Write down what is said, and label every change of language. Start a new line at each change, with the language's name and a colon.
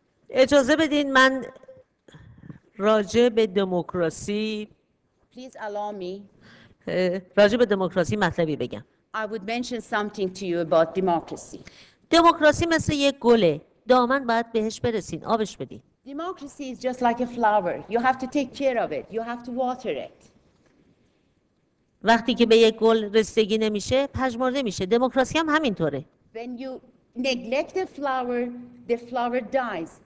Persian: اجازه بدین من راجع به دموکراسی
English: Please allow me.
Persian: راجع به دموکراسی مطلبی بگم.
English: I would mention something to you about democracy.
Persian: دموکراسی مثل یک گله. دامن باید بهش برسین، آبش بدین.
English: Democracy is just like a flower. You have to take care of it. You have to water it.
Persian: وقتی که به یک گل رسیدگی نمیشه، پژمرده میشه. دموکراسی هم همینطوره.
English: When you neglect the flower dies.